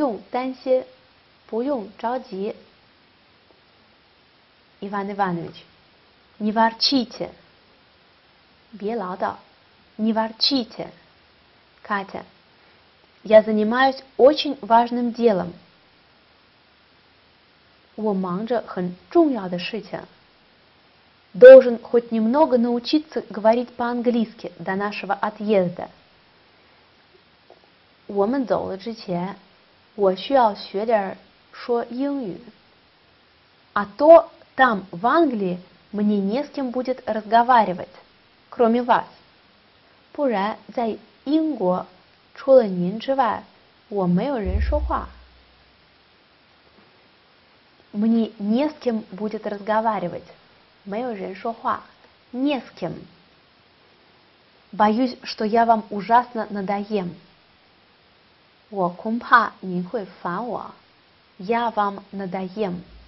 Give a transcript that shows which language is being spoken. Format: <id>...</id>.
<zh>总是说不用担心，不用着急.</zh> <ru>Иван Иванович, не ворчите.</ru> <zh>别唠叨.</zh> <ru>Не ворчите. Катя, я занимаюсь очень важным делом.</ru> <zh>我忙着很重要的事情.</zh> <ru>Должен хоть немного научиться говорить по-английски до нашего отъезда.</ru> <zh>我们走了之前，我需要学点说英语.</zh> <ru>А то там, в Англии, мне не с кем будет разговаривать, кроме вас.</ru> <zh>不然在英国, 除了您之外, 我没有人说话.</zh> <ru>Мне не с кем будет разговаривать.</ru> <zh>没有人说话.</zh> <ru>Не с кем. Боюсь, что я вам ужасно надоем.</ru> <zh>我恐怕您会烦我.</zh> <ru>Я вам надоем.</ru>